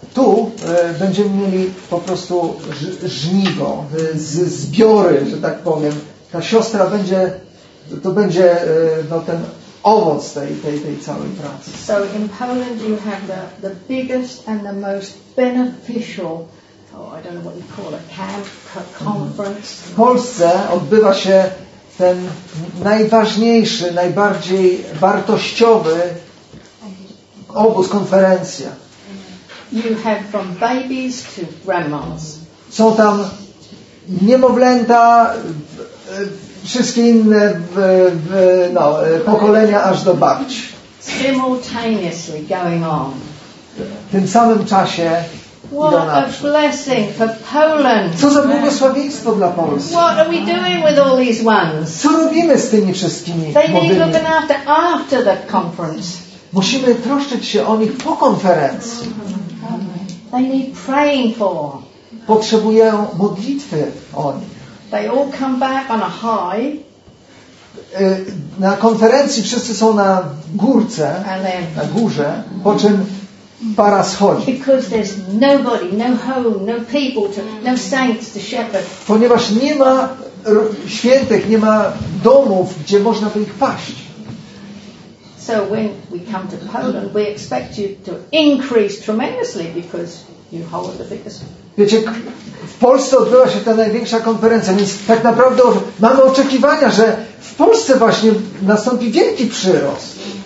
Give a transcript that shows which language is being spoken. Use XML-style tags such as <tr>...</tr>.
<pl>Tu będziemy mieli po prostu żniwo, zbiory, że tak powiem. Ta siostra będzie, to będzie no, ten owoc tej całej pracy.</pl> <en>So in Poland you have the biggest and the most beneficial, I don't know what you call it, camp, conference.</en> <pl>W Polsce odbywa się ten najważniejszy, najbardziej wartościowy obóz, konferencja.</pl> <en>You have from babies to grandmas.</en> <pl>Są tam niemowlęta, wszystkie inne no, pokolenia aż do babci.</pl> <en>Simultaneously going on.</en> <pl>W tym samym czasie.</pl> <en>What a blessing for Poland.</en> <pl>Co za błogosławieństwo dla Polski.</pl> <en>What are we doing with all these ones?</en> <pl>Co robimy z tymi wszystkimi?</pl> <en>They need looking after the conference.</en> <pl>Musimy troszczyć się o nich po konferencji.</pl> <en>They need praying for.</en> <pl>Potrzebują modlitwy o nich.</pl> <en>They all come back on a high.</en> <pl>Na konferencji wszyscy są na górce, na górze, po czym para schodzi.</pl> <en>Because there's nobody, no home, no people, no saints to shepherd.</en> <pl>Ponieważ nie ma świętych, nie ma domów, gdzie można by ich paść.</pl> <en>So when we come to Poland, we expect you to increase tremendously because you hold the biggest.</en> <pl>Wiecie, w Polsce odbyła się ta największa konferencja, więc tak naprawdę mamy oczekiwania, że w Polsce właśnie nastąpi wielki przyrost.</pl>